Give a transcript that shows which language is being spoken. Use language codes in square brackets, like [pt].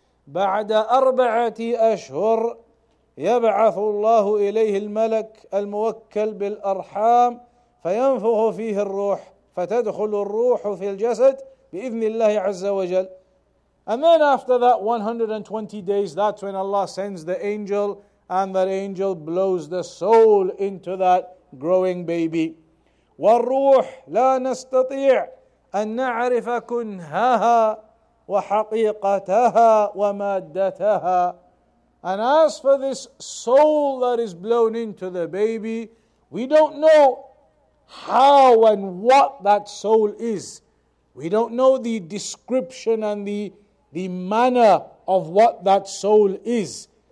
[ar] بَعْدَ 4 أَشْهُرْ يبعث الله إليه الملك الموكل بالأرحام فينفخ فيه الروح فتدخل الروح في الجسد بإذن الله عز وجل. [en] And then after that 120 days, that's when Allah sends the angel, and that angel blows the soul into that growing baby. [ar] والروح لا نستطيع أن نعرف كنهاها وحقيقتها ومادتها. [en] And as for this soul that is blown into the baby, we don't know how and what that soul is. We don't know the description and the manner of what that soul is.